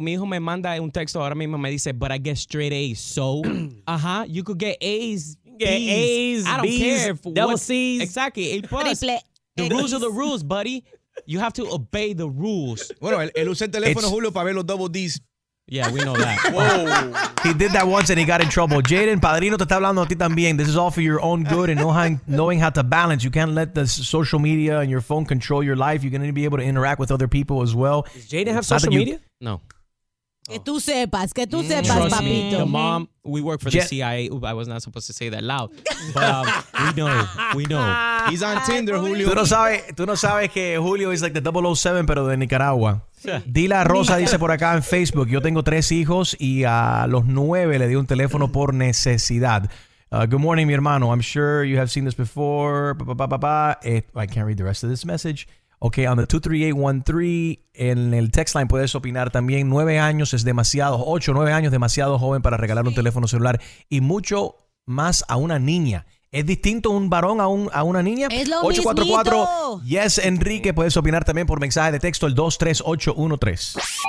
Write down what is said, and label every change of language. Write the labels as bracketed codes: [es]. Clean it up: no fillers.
[es] Mi hijo me manda un texto ahora mismo. Me dice, [en] but I get straight A's. So, you could get A's. A's, B's, double C's. Exactly. Triple A's. The rules are the rules, buddy. You have to obey the rules. [es] Bueno, él usa el teléfono, Julio, para ver los [en] double D's. Yeah, we know that. Whoa. He did that once and he got in trouble. [es] Jaden, Padrino te está hablando a ti también. [en] This is all for your own good and knowing how to balance. You can't let the social media and your phone control your life. You're going to be able to interact with other people as well. Does Jaden have social media? No. [es] Que tú sepas, [en] trust [es] papito. [en] Me, the mom, we work for the CIA. Oop, I was not supposed to say that loud. But we know. He's on Tinder, Julio. [es] Tú no sabes que Julio [en] is like the [es] 007, pero de Nicaragua. Dila Rosa dice por acá en Facebook, yo tengo 3 hijos y a los 9 le di un teléfono por necesidad. [en] Good morning, [es] mi hermano. [en] I'm sure you have seen this before. I can't read the rest of this message. [es] Ok, on the 23813, en el text line puedes opinar también. 9 años es demasiado, 8 o 9 años demasiado joven para regalar un teléfono celular. Y mucho más a una niña. ¿Es distinto un varón a una niña? Es lo 844. Mismito. [en] Yes, [es] Enrique, puedes opinar también por mensaje de texto, el 23813.